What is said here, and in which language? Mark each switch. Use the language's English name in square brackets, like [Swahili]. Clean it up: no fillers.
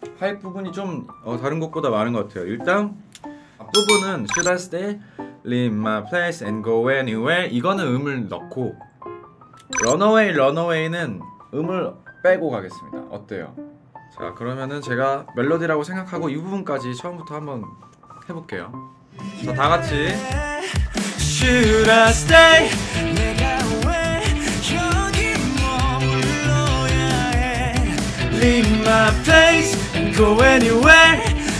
[Korean] 화이트 부분이 좀 다른 것보다 많은 것 같아요. 일단 앞부분은 [English] Should I stay? Leave my place and go anywhere. [Korean] 이거는 음을 넣고 Runaway, Runaway는 음을 빼고 가겠습니다. 어때요? 자, 그러면은 제가 멜로디라고 생각하고 이 부분까지 처음부터 한번 해볼게요. 자, 다 같이 [English] Should I stay? [Korean] 내가 왜 여기 머물러야 해? [English] Leave my place and go anywhere.